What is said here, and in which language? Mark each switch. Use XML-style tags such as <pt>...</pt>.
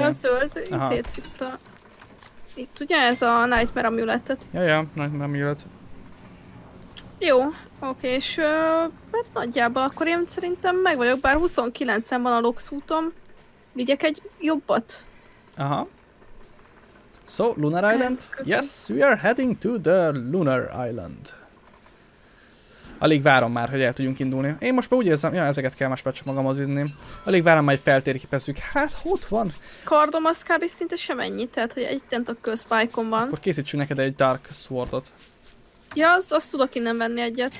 <hu>Ja, a zöld, itt a... Itt ugye ez a Nightmare amulettet. Jaja, Nightmare amulett. Jó, oké, és hát nagyjából akkor én szerintem meg vagyok, bár 29-en van a Lux úton. Vigyek egy jobbat.</hu> <en>Aha. So, Lunar Island? Yes, we are heading to the Lunar Island.</en> <hu>Alig várom már, hogy el tudjunk indulni. Én most már úgy érzem, ja, ezeket kell másbár csak magamhoz vinni. Alig várom, majd feltérképezzük. Hát, ott van. Kardom az kb. Szinte sem ennyi, tehát hogy egy tentakkel spike-on van. Akkor készítsünk neked egy Dark Swordot. Ja, azt tudok innen venni egyet.</hu>